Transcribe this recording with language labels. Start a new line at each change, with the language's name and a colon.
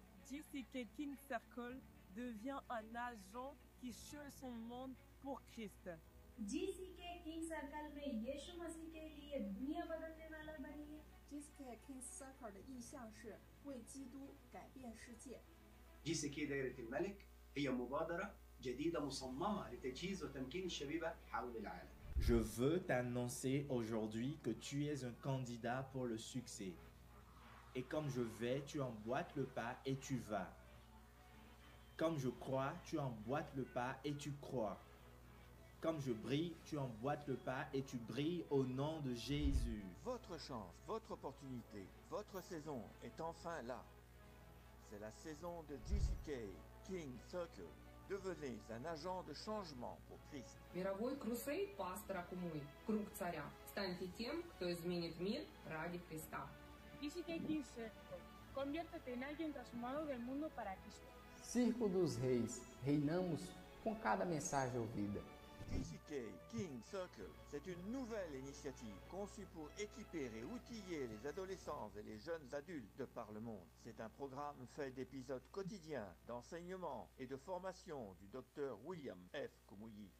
French: GCK King Circle devient un agent qui change son monde pour Christ.
Hindi: GCK King Circle में यीशु मसीह के लिए दुनिया बदलने वाला बनिए.
Chinese: GCK King Circle 的意向是 为基督改变世界.
Arabic: GCK دائرة الملك هي مبادرة جديدة مصممة لتجهيز وتمكين الشبيبة حول العالم.
French: Je veux t'annoncer aujourd'hui que tu es un candidat pour le succès. Et comme je vais, tu emboîtes le pas et tu vas. Comme je crois, tu emboîtes le pas et tu crois. Comme je brille, tu emboîtes le pas et tu brilles au nom de Jésus. Votre chance, votre opportunité, votre saison est enfin là. C'est la saison de GCK King Circle. Devenez un agent de changement pour Christ.
Russian: Мировой крусейд пастора Кумуи. Круг царя. Станьте тем, кто изменит мир ради Христа.
English: GCK King Circle.
Spanish: Conviértete en alguien transformado del mundo para Cristo.
Portuguese: Circo dos Reis. Reinamos com cada mensagem ouvida.
French: GCK King Circle, c'est une nouvelle initiative conçue pour équiper et outiller les adolescents et les jeunes adultes de par le monde. C'est un programme fait d'épisodes quotidiens d'enseignement et de formation du Dr. William F. Kumuyi.